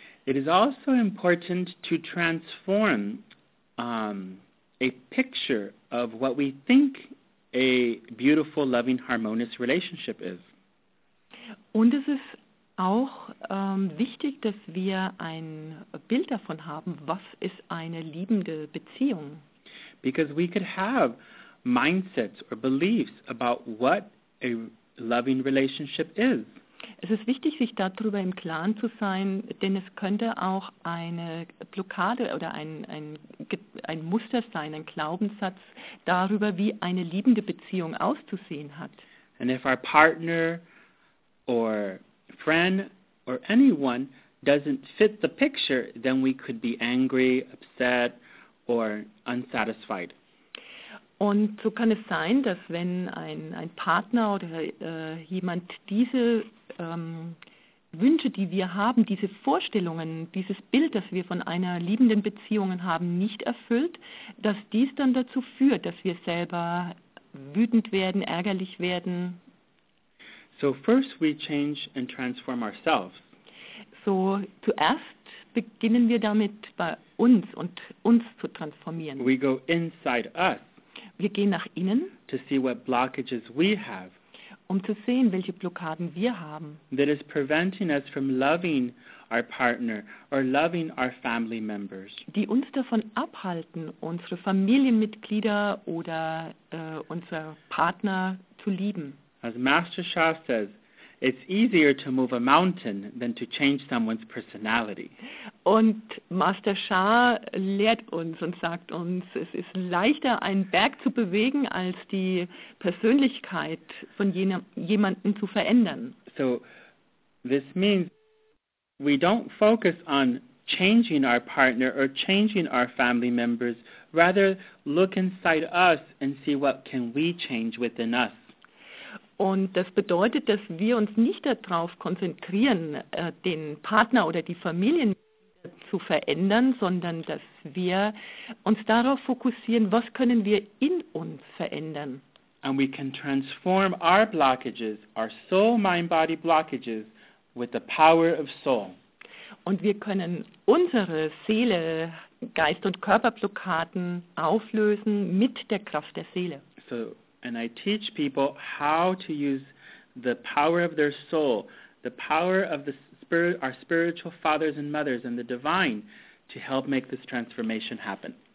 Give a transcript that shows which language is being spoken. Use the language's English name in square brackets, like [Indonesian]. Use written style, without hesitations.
[English] It is also important to transform a picture of what we think a beautiful, loving, harmonious relationship is. [German] Und es ist auch wichtig, dass wir ein Bild davon haben, was ist eine liebende Beziehung. [English] Because we could have mindsets or beliefs about what a loving relationship is. [German] Es ist wichtig, sich darüber im Klaren zu sein, denn es könnte auch eine Blockade oder ein Muster sein, ein Glaubenssatz darüber, wie eine liebende Beziehung auszusehen hat. [English] And if our partner or friend or anyone doesn't fit the picture, then we could be angry, upset, or unsatisfied. [German] Und so kann es sein, dass wenn ein Partner oder jemand diese Wünsche, die wir haben, diese Vorstellungen, dieses Bild, das wir von einer liebenden Beziehung haben, nicht erfüllt, dass dies dann dazu führt, dass wir selber wütend werden, ärgerlich werden. [English] So first we change and transform ourselves. [German] So zuerst beginnen wir damit, bei uns und uns zu transformieren. [English] We go inside us. [German] Wir gehen nach innen. [English] To see what blockages we have. [German] Um zu sehen, welche Blockaden wir haben. [English] That is preventing us from loving our partner or loving our family members. [German] Die uns davon abhalten, unsere Familienmitglieder oder unser Partner zu lieben. [English] As Master Shah says, it's easier to move a mountain than to change someone's personality. [German] Und Master Shah lehrt uns und sagt uns, es ist leichter, einen Berg zu bewegen, als die Persönlichkeit von jemandem zu verändern. [English] So, this means we don't focus on changing our partner or changing our family members, rather look inside us and see what can we change within us. [German] Und das bedeutet, dass wir uns nicht darauf konzentrieren, den Partner oder die Familien zu verändern, sondern dass wir uns darauf fokussieren, was können wir in uns verändern. [English] And we can transform our blockages, our soul, mind, body blockages, with the power of soul. [German] Und wir können unsere Seele, Geist- und Körperblockaden auflösen mit der Kraft der Seele. So. [English] And I teach people how to use the power of their soul, the power of the spirit, our spiritual fathers and mothers and the divine to help make this transformation happen.